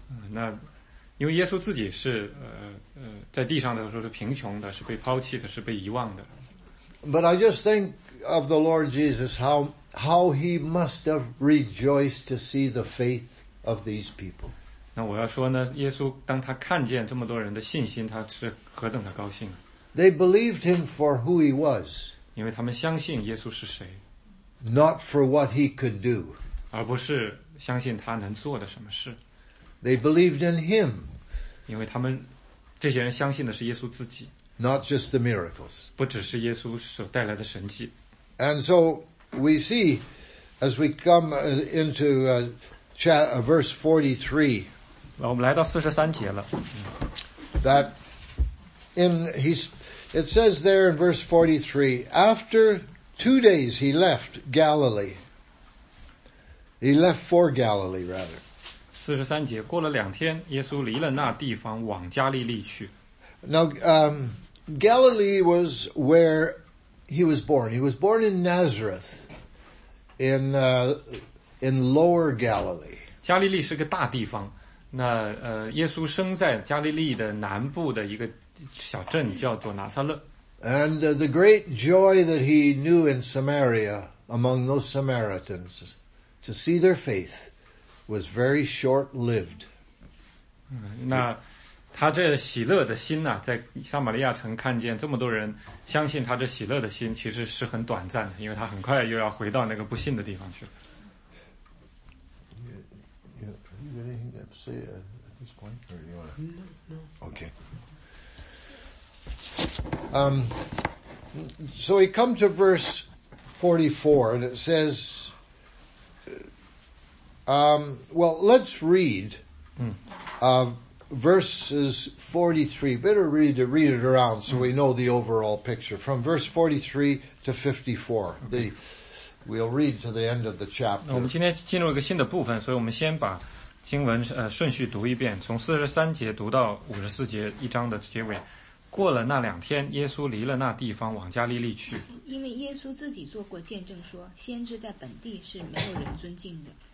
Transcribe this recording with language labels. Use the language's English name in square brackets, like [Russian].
[Chinese] 那因为耶稣自己是在地上的时候是贫穷的，是被抛弃的，是被遗忘的。 [English] But I just think of the Lord Jesus, how he must have rejoiced to see the faith of these people. [Chinese] 那我要说呢，耶稣当他看见这么多人的信心，他是何等的高兴。 [English] They believed him for who he was. [Chinese] 因为他们相信耶稣是谁。 [English] Not for what he could do. [Chinese] 而不是相信他能做的什么事。 [English] They believed in him. [Chinese] 因为他们这些人相信的是耶稣自己。 [English] Not just the miracles. [Chinese] 不只是耶稣所带来的神迹。 [English] And so we see as we come into verse 43. [Chinese] 我们来到43节了。 [English] That in it says there in verse 43, after 2 days he left Galilee. He left for Galilee, rather. [Chinese] 43节，过了两天，耶稣离了那地方，往加利利去。 [English] Now, Galilee was where he was born. He was born in Nazareth, in Lower Galilee. [Chinese] 加利利是个大地方。那耶稣生在加利利的南部的一个小镇，叫做拿撒勒。 [English] And the great joy that he knew in Samaria among those Samaritans. To see their faith was very short-lived. [Chinese] 那他这喜乐的心呢，在撒玛利亚城看见这么多人相信他这喜乐的心，其实是很短暂的，因为他很快又要回到那个不信的地方去了。 [English] You got anything to say at this point, or you want? No. Okay. So we come to verse 44, and it says. Well, let's read verses 43. Better read it around so we know the overall picture. From verse 43 to 54. Okay. We'll read to the end of the chapter. [Chinese] 我们今天进入一个新的部分，所以我们先把经文顺序读一遍，从43节读到54节一章的结尾。过了那两天，耶稣离了那地方，往加利利去。因为耶稣自己做过见证说，先知在本地是没有人尊敬的。